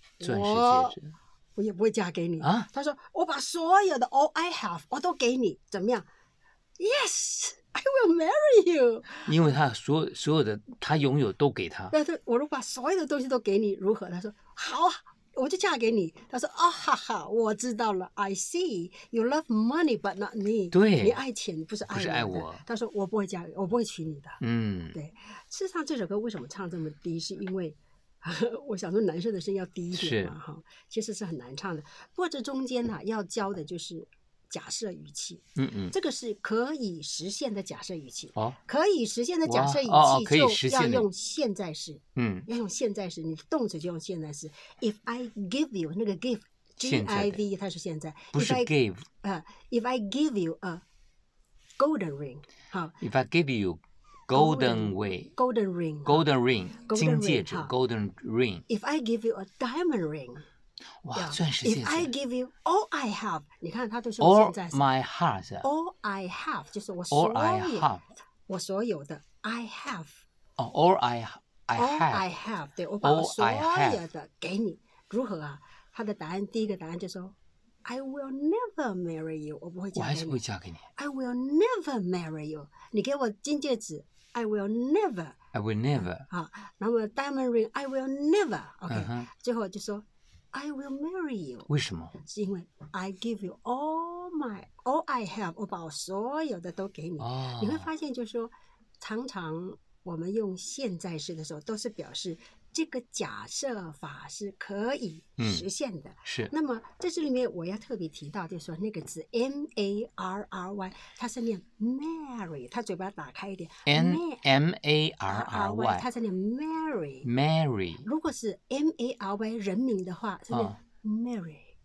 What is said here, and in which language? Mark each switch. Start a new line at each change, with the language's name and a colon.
Chinese: 钻石戒指。我也不会嫁给你啊。他说我把所有的
English: all I have
Chinese: 我都给你，怎么样 ？Yes。
English: I will marry you.
Chinese: 因为他所有的他拥有都给他。那他我如果把所有的东西都给你，如何？他说好啊，我就嫁给你。他说啊，哦，哈哈，我知道了。
English: I see you love money, but not me.
Chinese: 对，你爱钱不是爱我。不是爱我。他说我不会嫁，我不会娶你的。嗯，对。事实上，这首歌为什么唱这么低？是因为我想说男生的声音要低一点嘛，其实是很难唱的。不过这中间呢，要教的就是。假设语气，嗯嗯，这个是可以实现的假设语气，哦，可以实现的假设语气，哦，就要用现在时，嗯，要用现在时，你动词就用现在时。
English: If I give you
Chinese: 那个
English: give，G-I-V
Chinese: 它是现在，不是 give，
English: 啊 ，If I give you a golden ring， 好，If I give you golden ring，golden ring，golden ring， 金戒指 ，golden ring，If I give you a diamond ring。
Chinese: 哇，钻石戒指。
English: If I give you all I have，
Chinese: 你看他都说现在是。
English: All my heart。 All I have
Chinese: 就是我所有。
English: All I have，
Chinese: 我所有的
English: I have， All I have，
Chinese: 对，我把我所有的给你，如何啊？他的答案，第一个答案就说 ，
English: I will never marry you，
Chinese: 我不会嫁给你。我还是会嫁给你。
English: I will never marry you，
Chinese: 你给我金戒指
English: ，I will never。 I will never。啊，
Chinese: 那么
English: diamond ring，I will never。 OK，
Chinese: 最后就说
English: ，I will marry you。
Chinese: 为什么？
English: 是因为 I give you all I have，
Chinese: 我把我所有的都给你。 Oh. 你会发现，就是说，常常。我们用现在式的时候，都是表示这个假设法是可以实现的。嗯、是。那么在这里面，我要特别提到，就是说那个字 M A R R Y， 它是念 Mary， 它嘴巴打开一点。
English: M A R R Y，
Chinese: 它是念 Mary。
English: Mary。
Chinese: 如果是 M A R Y 人名的话，是念 Mary。